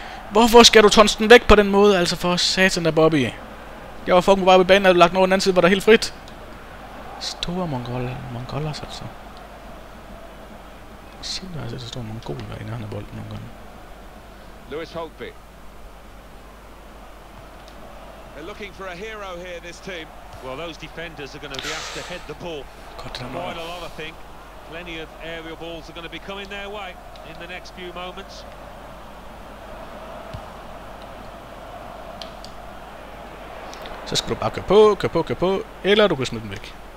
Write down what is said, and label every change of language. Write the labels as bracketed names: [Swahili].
[Danish] Hvorfor skal du tonsen væk på den måde, altså for satan der, Bobby? Jeg var fucking bare på banen, og du lagt den over den anden side, var der helt frit. Store mongoler, så altså. Sjældent har jeg set så store mongoler i nærheden af bolden nogle gange. Lewis Holtby. [English] They're looking for a hero here, this team. Well, those defenders are going to be asked to head the ball. God, damn it. Quite a lot, I think. Plenty of aerial balls are going to be coming their way in the next few moments. [Danish] Så skal du bare køre på, eller du kan smide den væk.